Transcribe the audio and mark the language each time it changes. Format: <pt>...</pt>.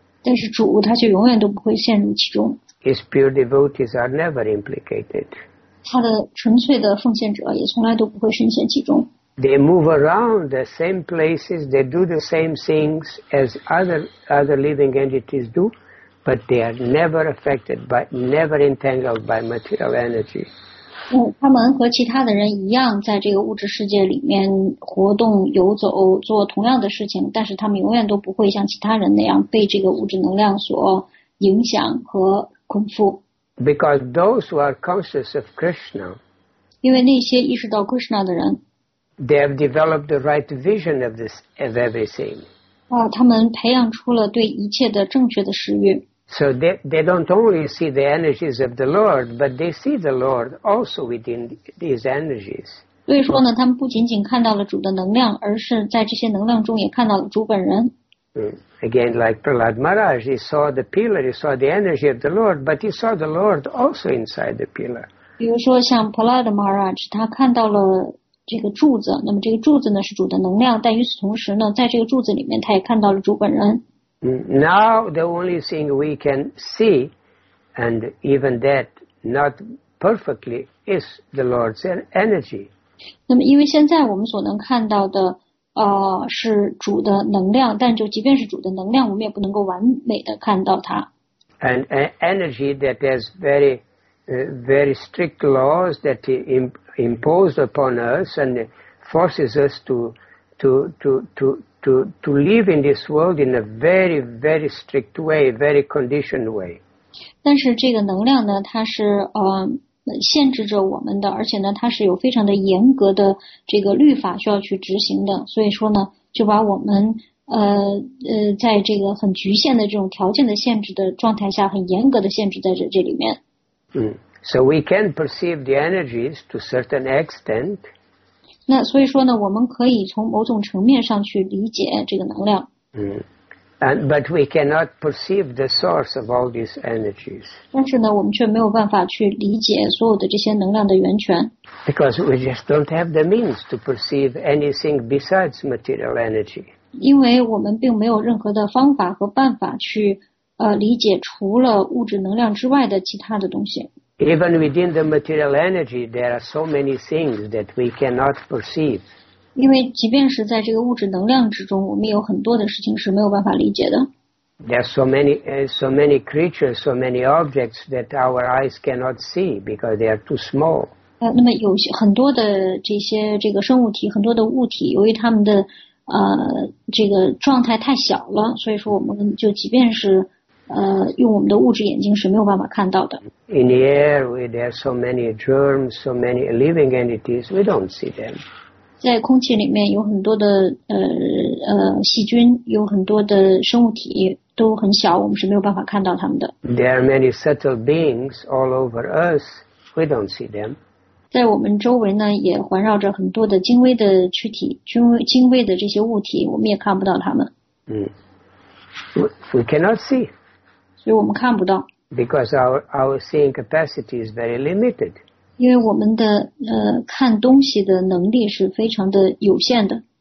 <zh>但是主他却永远都不会陷入其中。</zh> <en>His pure devotees are never implicated.</en> <zh>他的纯粹的奉献者也从来都不会深陷其中。</zh> <en>They move around the same places, they do the same things as other living entities do, but they are never affected by, never entangled by material energy.</en> <zh>他们和其他的人一样，在这个物质世界里面活动、游走、做同样的事情，但是他们永远都不会像其他人那样被这个物质能量所影响和功夫。</zh> <en>Because those who are conscious of Krishna,</en> <zh>因为那些意识到 Krishna 的人</zh> <en>they have developed the right vision of this of everything.</en> <zh>他们培养出了对一切的正确的视域。</zh> <en>So they don't only see the energies of the Lord, but they see the Lord also within these energies.</en> <zh>所以说呢，他们不仅仅看到了主的能量，而是在这些能量中也看到了主本人。</zh> <en>Again, like Prahlad Maharaj, he saw the pillar, he saw the energy of the Lord, but he saw the Lord also inside the pillar.</en> <zh>比如说像 Prahlad Maharaj, 他看到了这个柱子，那么这个柱子呢是主的能量，但与此同时呢，在这个柱子里面，他也看到了主本人。</zh> <en>Now the only thing we can see, and even that not perfectly, is the Lord's energy.</en> <zh>那么因为现在我们所能看到的是主的能量，但就即便是主的能量，我们也不能够完美的看到它。</zh> <en>And energy that has very, very strict laws that imposed upon us and forces us to live in this world in a very, very strict way, very conditioned way.</en> <zh>但是这个能量呢，它是限制着我们的，而且呢，它是有非常的严格的这个律法需要去执行的，所以说呢，就把我们在这个很局限的这种条件的限制的状态下，很严格的限制在这里面。</zh> <en>So we can perceive the energies to certain extent.</en> <zh>那所以说呢，我们可以从某种层面上去理解这个能量。</zh> <en>And, but we cannot perceive the source of all these energies.</en> <zh>但是呢，我们却没有办法去理解所有的这些能量的源泉。</zh> <en>Because we just don't have the means to perceive anything besides material energy.</en> <zh>因为我们并没有任何的方法和办法去理解除了物质能量之外的其他的东西。</zh> <en>Even within the material energy, there are so many things that we cannot perceive.</en> <zh>因为即便是在这个物质能量之中，我们有很多的事情是没有办法理解的。</zh> <en>There are so many creatures, so many objects that our eyes cannot see because they are too small.</en> <zh>那么有很多的这些这个生物体，很多的物体，由于它们的这个状态太小了，所以说我们就即便是用我们的物质眼睛是没有办法看到的。</zh> <en>In the air, there are so many germs, so many living entities. We don't see them.</en> <zh>在空气里面有很多的细菌，有很多的生物体都很小，我们是没有办法看到它们的。</zh> <en>There are many subtle beings all over us. We don't see them.</en> <zh>在我们周围呢，也环绕着很多的精微的躯体，精微的这些物体，我们也看不到它们。</zh> <en>We cannot see.</en> <zh>所以我们看不到。</zh> <en>Because our seeing capacity is very limited.</en> <zh>因为我们的看东西的能力是非常的有限的。</zh>